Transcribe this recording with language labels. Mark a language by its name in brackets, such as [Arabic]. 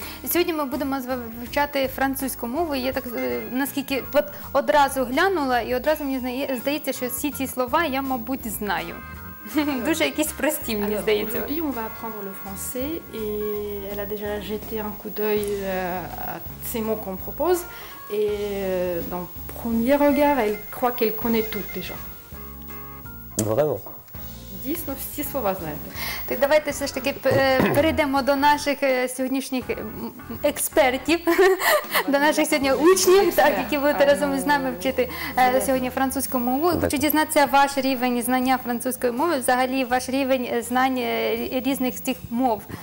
[Ukrainian] Сьогодні ми будемо вивчати французьку мову. Я так наскільки от одразу глянула і одразу мені здається, що всі ці слова я, мабуть, знаю. Дуже якісь прості, мені здається. [French] Aujourd'hui, on va apprendre le français et elle a déjà jeté un coup d'œil à ces mots qu'on propose et dans premier regard, elle croit qu'elle connaît tout déjà. Vraiment. [Ukrainian] Дійсно, всі слова знаєте. Так давайте все ж таки перейдемо до наших сьогоднішніх експертів, до наших сьогодні учнів, так, які будуть разом з нами вчити сьогодні французьку мову. Хочу дізнатися ваш рівень знання французької мови, взагалі ваш рівень знань різних з цих мов.